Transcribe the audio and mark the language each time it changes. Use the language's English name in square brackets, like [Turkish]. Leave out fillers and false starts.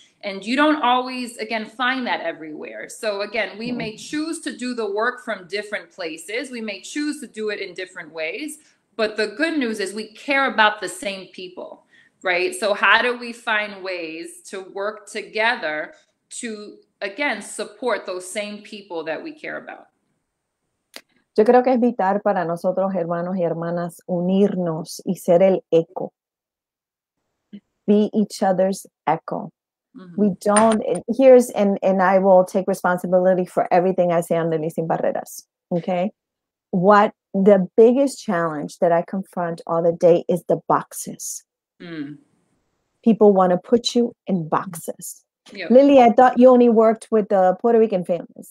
[English] And you don't always, again, find that everywhere. So again, we may choose to do the work from different places. We may choose to do it in different ways. But the good news is we care about the same people, right? So how do we find ways to work together to, again, support those same people that we care about? [Spanish] Yo creo que es vital para nosotros, hermanos y hermanas, unirnos y ser el eco. [English] Be each other's echo. Mm-hmm. We don't, here's, and I will take responsibility for everything I say on the Leasing Barreras, okay? What the biggest challenge that I confront all the day is the boxes. Mm. People want to put you in boxes. Yep. Lily, I thought you only worked with the Puerto Rican families.